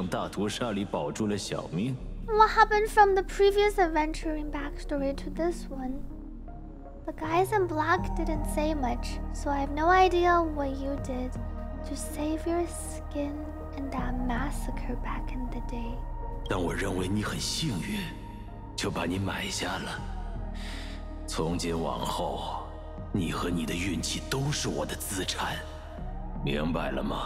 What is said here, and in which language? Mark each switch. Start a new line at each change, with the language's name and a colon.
Chinese: 哎，那群穿黑西装的美将太多，所以我不知道你到底用了什么手段，才在当年那场大屠杀里保住了小命。
English: What happened from the previous adventuring backstory to this one? The guys in black didn't say much, so I have no idea what you did to save your skin in that massacre back in the day.
Chinese: 但我认为你很幸运，就把你买下了。从今往后，你和你的运气都是我的资产，明白了吗？